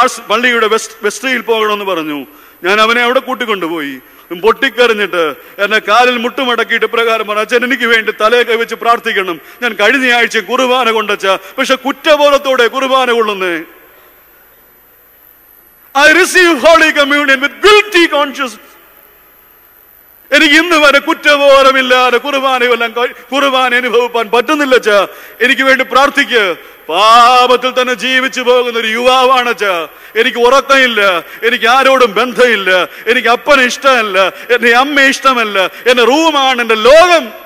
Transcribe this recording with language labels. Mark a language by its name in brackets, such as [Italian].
[Malayalam] പള്ളിയുടെ വെസ്ട്രിയിൽ പോകണമെന്ന് പറഞ്ഞു. ഞാൻ അവനെ അവിടെ കൂട്ടിക്കൊണ്ടുപോയി. പൊട്ടിക്കറിഞ്ഞിട്ട് എന്നെ കാലിൽ മുട്ടുമടക്കിയിട്ട് പ്രകാരം പറഞ്ഞു, അച്ഛൻ എനിക്ക് വേണ്ടി തലയൊക്കെ വെച്ച് പ്രാർത്ഥിക്കണം. ഞാൻ കഴിഞ്ഞയാഴ്ച കുർബാന കൊണ്ടച്ച, പക്ഷെ കുറ്റബോധത്തോടെ കുർബാന കൊള്ളുന്നേ. [English] I receive Holy Communion with guilty consciousness. [Malayalam] എനിക്ക് ഇന്ന് വരെ കുറ്റബോധമില്ലാതെ കുർബാനയെല്ലാം കുർബാന അനുഭവിപ്പാൻ പറ്റുന്നില്ല. എനിക്ക് വേണ്ടി പ്രാർത്ഥിക്ക്. പാപത്തിൽ തന്നെ ജീവിച്ചു പോകുന്ന ഒരു യുവാവാണ് അച്ഛ. എനിക്ക് ഉറക്കമില്ല, എനിക്ക് ആരോടും ബന്ധമില്ല, എനിക്ക് അപ്പനെ ഇഷ്ടമല്ല, എന്റെ അമ്മ ഇഷ്ടമല്ല, എന്റെ റൂമാണ് എന്റെ ലോകം.